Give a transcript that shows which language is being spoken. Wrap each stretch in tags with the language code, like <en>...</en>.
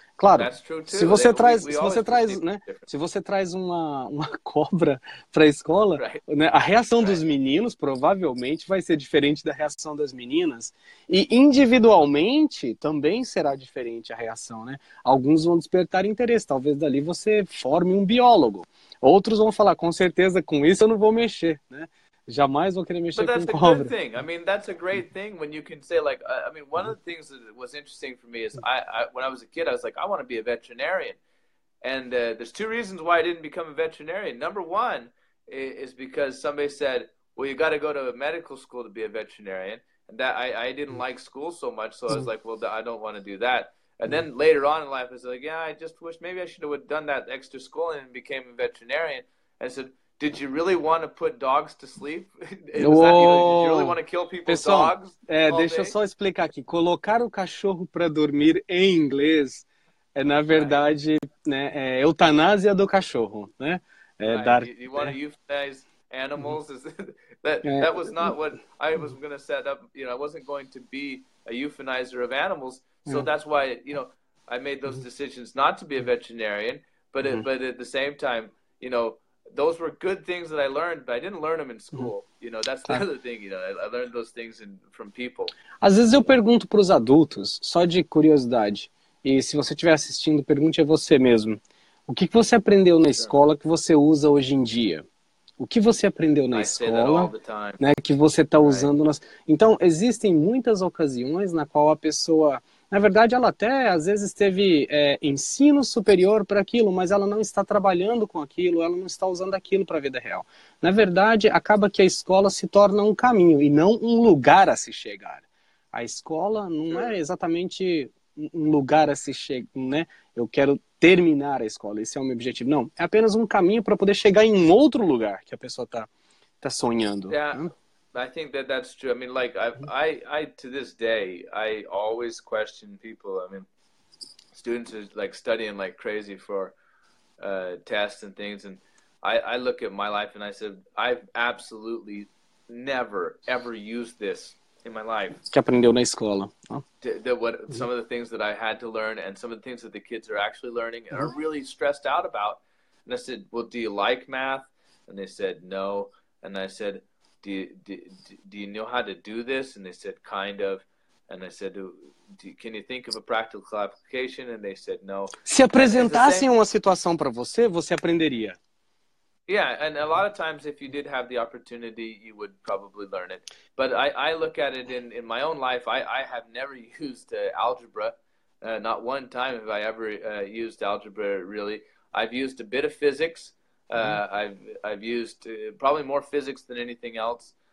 <pt>Claro, se você traz uma cobra para a escola, né, a reação dos meninos provavelmente vai ser diferente da reação das meninas. E individualmente também será diferente a reação, né? Alguns vão despertar interesse, talvez dali você forme um biólogo. Outros vão falar, com certeza, com isso eu não vou mexer, né? Jamais vou querer mexer com cobra.</pt> <en>But that's a good thing. I mean, that's a great thing when you can say, like, I mean, one of the things that was interesting for me is I when I was a kid, I was like, I want to be a veterinarian. And there's two reasons why I didn't become a veterinarian. Number one is because somebody said, well, you got to go to a medical school to be a veterinarian. And that I didn't like school so much, so I was like, well, I don't want to do that. And then later on in life, I was like, yeah, I just wish maybe I should have done that extra school and became a veterinarian. And I said, did you really want to put dogs to sleep? Did you really want to kill people's dogs?</en> <pt>Deixa eu só explicar aqui. Colocar o cachorro para dormir em inglês é, na verdade, né, é eutanásia do cachorro, né?</pt> <en>You want to euthanize animals? That was not what I was going to set up. You know, I wasn't going to be a euthanizer of animals. So that's why, you know, I made those decisions not to be a veterinarian. But but at the same time, you know, those were good things that I learned, but I didn't learn them in school. You know, that's the other thing, you know, I learned those things from people.</en> <pt>Às vezes eu pergunto para os adultos, só de curiosidade, e se você estiver assistindo, pergunte a você mesmo. O que você aprendeu na escola que você usa hoje em dia? O que você aprendeu na escola, né, que você está usando? Então, existem muitas ocasiões na qual a pessoa... Na verdade, ela até, às vezes, teve ensino superior para aquilo, mas ela não está trabalhando com aquilo, ela não está usando aquilo para a vida real. Na verdade, acaba que a escola se torna um caminho e não um lugar a se chegar. A escola não é exatamente um lugar a se chegar, né? Eu quero terminar a escola, esse é o meu objetivo. Não, é apenas um caminho para poder chegar em outro lugar que a pessoa tá sonhando.</pt> <en>Yeah, né? I think that that's true. I mean, like, I to this day, I always question people. I mean, students are, like, studying like crazy for tests and things, and I look at my life and I said, I've absolutely never, ever used this in my life.</en> <pt>Que aprendeu na escola.</pt> <en>Some of the things that I had to learn and some of the things that the kids are actually learning and are really stressed out about. And I said, well, do you like math? And they said, no. And I said, do you know how to do this? And they said, kind of. And I said, can you think of a practical application? And they said, no.</en> <pt>Se apresentassem uma situação para você, você aprenderia.</pt> <en>Yeah, and a lot of times, if you did have the opportunity, you would probably learn it. But I look at it in my own life. I have never used algebra. Not one time have I ever used algebra, really. I've used a bit of physics. I've used probably more physics than anything else.</en>